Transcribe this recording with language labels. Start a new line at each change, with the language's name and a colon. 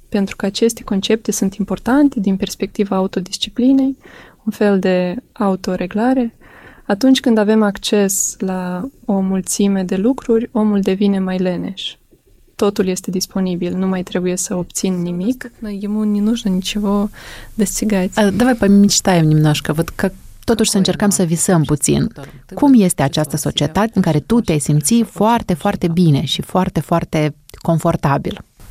Romanian: Pentru că aceste concepte sunt importante din perspectiva autodisciplinei, un fel de autoreglare. Atunci când avem acces la o mulțime de lucruri, omul devine mai leneș. Totul este disponibil, nu mai trebuie să obțin nimic.
Russian: Ему не нужно ничего достигать. Давай помечтаем немножко. Вот как
Romanian: totuși să încercăm să visăm puțin. Cum este această societate în care tu te-ai simți foarte, foarte bine și foarte, foarte confortabil?